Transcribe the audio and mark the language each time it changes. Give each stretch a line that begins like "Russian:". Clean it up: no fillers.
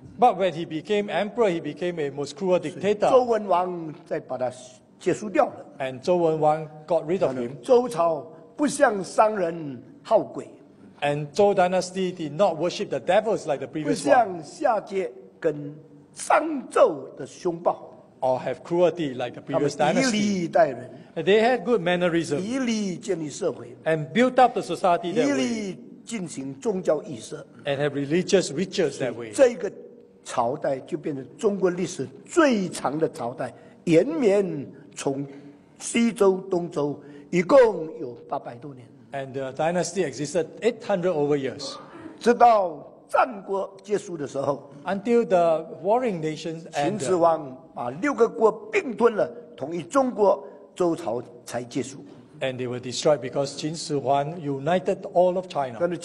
English: But when he became emperor, he became a most cruel dictator.
Chinese: 周文王再把他结束掉了,
English: and 周文王 got rid of him.
Chinese: 周朝不像商人好鬼。
English: And Zhou Dynasty did not worship the devils like the previous one. Or have cruelty like the previous dynasty. They had good mannerisms. And built up the society that way. And have religious rituals that way.
Chinese: 这个朝代就变成中国历史最长的朝代，延绵从西周、东周，一共有800多年。
English: And the dynasty existed 800 over years.
Chinese: 直到战国结束的时候,
English: until the warring nations ended,
Chinese: 秦始皇把6个国并吞了, 统一中国, 周朝才结束。
English: And they were destroyed because 秦始皇 united all of China.